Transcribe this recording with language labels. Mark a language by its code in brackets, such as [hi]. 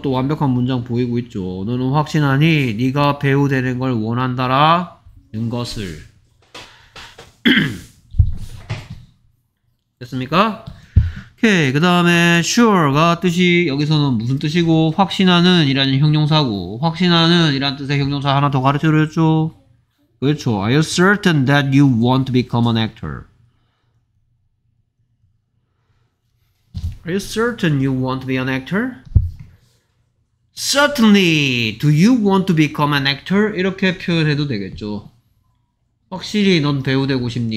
[ko] 또 완벽한 문장 보이고 있죠. 너는 확신하니 네가 배우 되는 걸 원한다라는 것을 됐습니까? 오케이. 그 다음에 sure가 뜻이 여기서는 무슨 뜻이고 확신하는 이라는 형용사고 확신하는 이라는 뜻의 형용사 하나 더 가르쳐드렸죠? 그렇죠. [en] Are you certain that you want to become an actor? Are you certain you want to be an actor? Certainly, do you want to become an actor? [ko] 이렇게 표현해도 되겠죠. 확실히 넌 배우 되고 싶니?